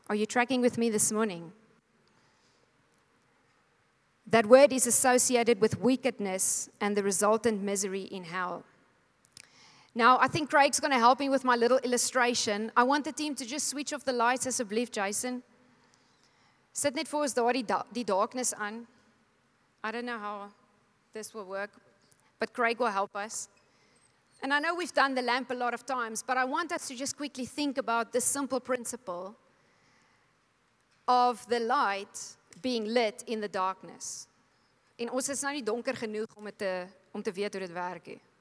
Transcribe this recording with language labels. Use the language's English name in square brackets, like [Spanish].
[English] Are you tracking with me this morning? That word is associated with wickedness and the resultant misery in hell. Now, I think Craig's going to help me with my little illustration. I want the team to just switch off the lights as a belief, Jason. [Afrikaans] Sit net voor ons daar die darkness aan. [English] I don't know how this will work, but Craig will help us. And I know we've done the lamp a lot of times, but I want us to just quickly think about this simple principle of the light being lit in the darkness. [Afrikaans] En ons is nou nie donker genoeg om te weet hoe dit werk.